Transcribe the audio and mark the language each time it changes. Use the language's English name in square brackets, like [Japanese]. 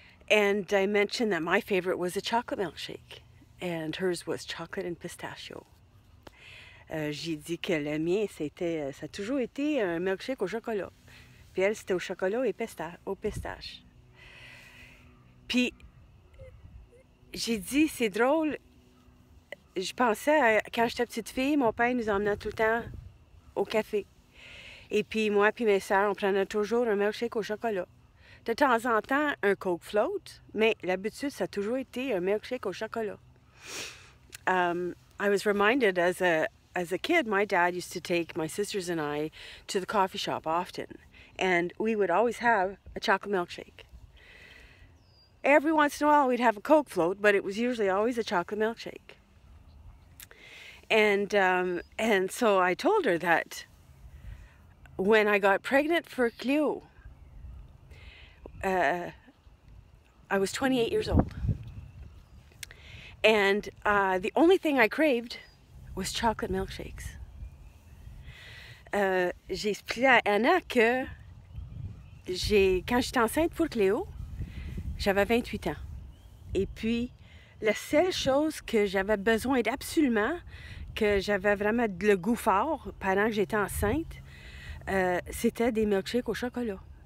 [English] And I mentioned that my favorite was a chocolate milkshake, and hers was chocolate and pistachio. [French] J'ai dit que le mien, ça a toujours été un milkshake au chocolat. Puis elle, c'était au chocolat et au pistache. Puis, j'ai dit, c'est drôle, je pensais, quand j'étais petite fille, mon père nous emmenait tout le temps au café. Et puis moi puis mes sœurs, on prenait toujours un milkshake au chocolat. De temps en temps, un Coke float, mais l'habitude, ça a toujours été un milkshake au chocolat. [English] I was reminded as a kid, my dad used to take my sisters and I to the coffee shop often, and we would always have a chocolate milkshake. Every once in a while, we'd have a Coke float, but it was usually always a chocolate milkshake. And so I told her that when I got pregnant for Cleo, I was 28 years old, and the only thing I craved was chocolate milkshakes. [French] J'ai expliqué à Anna que quand j'étais enceinte pour Cléo, j'avais 28 ans. Et puis, la seule chose que j'avais besoin d'absolument, que j'avais vraiment le goût fort pendant que j'étais enceinte, c'était des milkshakes au chocolat.